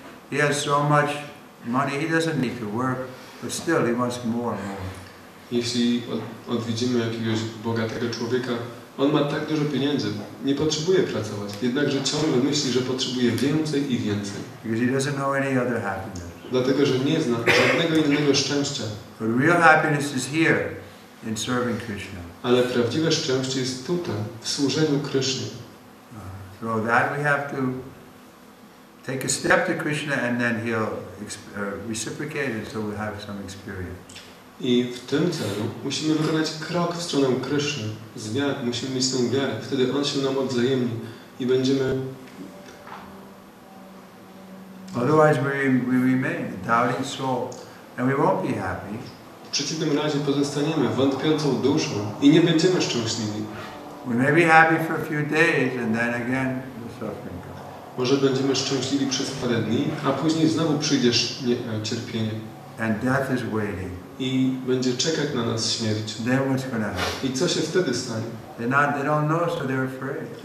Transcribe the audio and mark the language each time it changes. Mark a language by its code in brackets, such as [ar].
[en] He has so much money, he doesn't need to work, but still he wants more and more. [pl] Jeśli odwiedzimy jakiegoś bogatego człowieka, on ma tak dużo pieniędzy, nie potrzebuje pracować, jednakże ciągle myśli, że potrzebuje więcej i więcej. [en] Because he doesn't know any other happiness. [pl] Dlatego, że nie zna żadnego innego szczęścia. [en] But real happiness is here, in serving Krishna. [pl] Ale prawdziwe szczęście jest tutaj, w służeniu Krishna. [en] So that we have to take a step to Krishna and then he'll reciprocate it so we have some experience. [pl] I w tym celu musimy wykonać krok w stronę Krishna. Musimy mieć tą wiarę. Wtedy on się nam odwzajemni i będziemy. [en] Otherwise we remain a doubting soul and we won't be happy. [pl] W przeciwnym razie pozostaniemy wątpiącą duszą i nie będziemy szczęśliwi. [en] We may be happy for a few days and then again the suffering. [pl] Może będziemy szczęśliwi przez parę dni, a później znowu przyjdzie cierpienie. [en] And death is waiting. [pl] I będzie czekać na nas śmierć. [en] Then what's gonna happen? [pl] I co się wtedy stanie? [en] They don't know, so they're afraid.